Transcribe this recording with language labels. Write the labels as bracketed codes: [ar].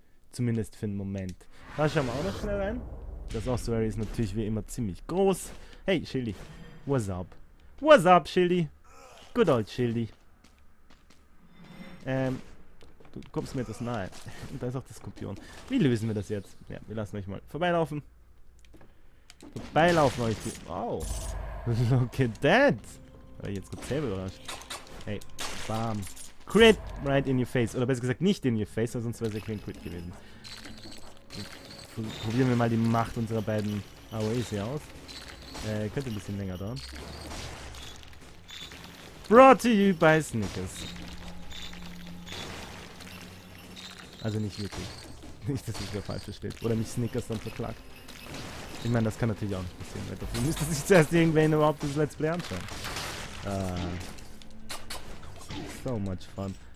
[de] Zumindest für einen Moment. Da schauen wir auch noch schnell rein. Das Ossuary ist natürlich wie immer ziemlich groß. [en] Hey, Chili. What's up? What's up, Chili? Good old Chili. [de] Du kommst mir etwas nahe. Und da ist auch der Skorpion. Wie lösen wir das jetzt? Ja, wir lassen euch mal vorbeilaufen. Vorbeilaufen euch die. [en] Wow. Look at that. [de] Jetzt gibt's Table oder was? [en] Hey, bam. Crit right in your face. [de] Oder besser gesagt nicht [en] in your face, [de] weil sonst wäre es ja kein Crit gewesen. Probieren wir mal die Macht unserer beiden AOEs hier aus. Könnte ein bisschen länger dauern. [en] Brought to you by Snickers. [de] Also nicht wirklich. Nicht, dass ich wieder falsch verstehe. Oder mich Snickers dann verklagt. Ich meine, das kann natürlich auch nicht passieren, weil dafür müsste sich zuerst irgendwen überhaupt das Let's Play anschauen. [en] So much fun.